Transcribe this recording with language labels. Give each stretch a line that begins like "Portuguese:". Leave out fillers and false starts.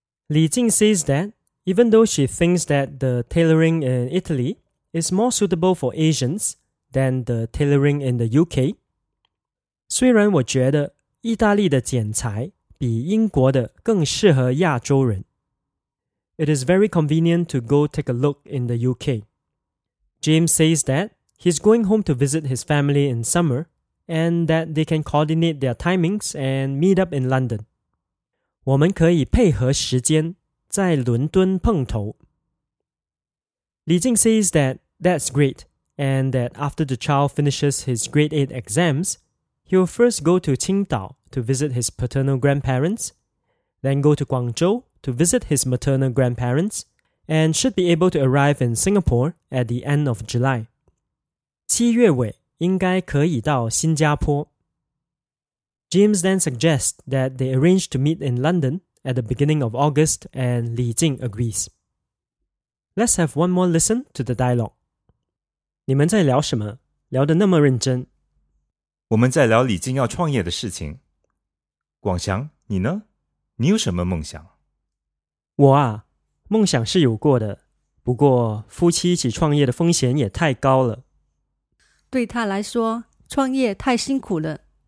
English: Li Jing says that, even though she thinks that the tailoring in Italy is more suitable for Asians than the tailoring in the UK,
Chinese: 虽然我觉得意大利的剪裁比英国的更适合亚洲人。
English: It is very convenient to go take a look in the UK. James says that he's going home to visit his family in summer and that they can coordinate their timings and meet up in London.
Chinese: 我们可以配合时间在伦敦碰头。
English: 李静 says that that's great and that after the child finishes his grade 8 exams, he'll first go to Qingdao to visit his paternal grandparents, then go to Guangzhou to visit his maternal grandparents, and should be able to arrive in Singapore at the end of July.
Chinese: 七月尾应该可以到新加坡。
English: James then suggests that they arrange to meet in London at the beginning of August, and Li Jing agrees. Let's have one more listen to the dialogue.
Chinese: 你们在聊什么？聊得那么认真。我们在聊李静要创业的事情。广翔，你呢？你有什么梦想？我啊，梦想是有过的，不过夫妻一起创业的风险也太高了。对他来说，创业太辛苦了。